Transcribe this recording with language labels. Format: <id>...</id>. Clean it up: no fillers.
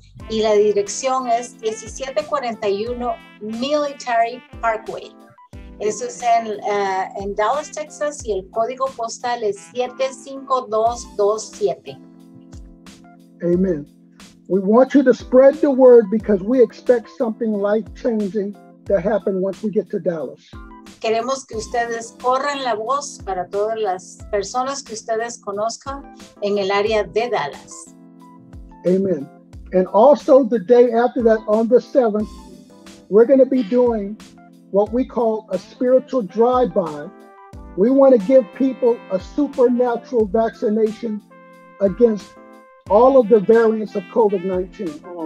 <es>Y la dirección es 1741 Military Parkway. Eso es en Dallas, Texas, y el código postal es 75227. Amen.</es> <en>We want you to spread the word because we expect something life-changing to happen once we get to Dallas.</en> <es>Queremos que ustedes corran la voz para todas las personas que ustedes conozcan en el área de Dallas. Amen.</es> <en>And also the day after that, on the 7th, we're going to be doing what we call a spiritual drive-by. We want to give people a supernatural vaccination against all of the variants of COVID-19.</en>